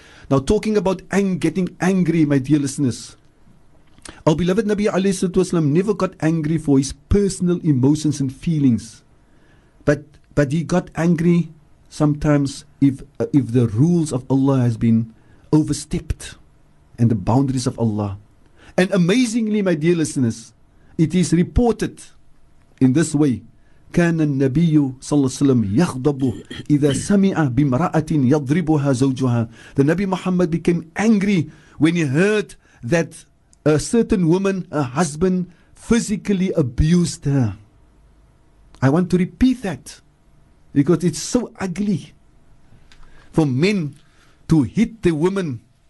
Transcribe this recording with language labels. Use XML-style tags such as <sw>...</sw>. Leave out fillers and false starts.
<en>Now, talking about getting angry, my dear listeners, our beloved Nabi alayhi salatu wasalam never got angry for his personal emotions and feelings, but he got angry sometimes if the rules of Allah has been overstepped and the boundaries of Allah. And amazingly, my dear listeners, it is reported in this way:</en> <ar>كَانَ النَّبِيُّ صَلَّى اللَّهُ عَلَيْهِ وَسَلَّمَ يَغْضَبُ إِذَا سَمِعَ بِمْرَأَةٍ يَضْرِبُهَا زَوْجُهَا.</ar> <en>The Nabi Muhammad became angry when he heard that a certain woman, a husband, physically abused her. I want to repeat that, because it's so ugly for men to hit the woman.</en>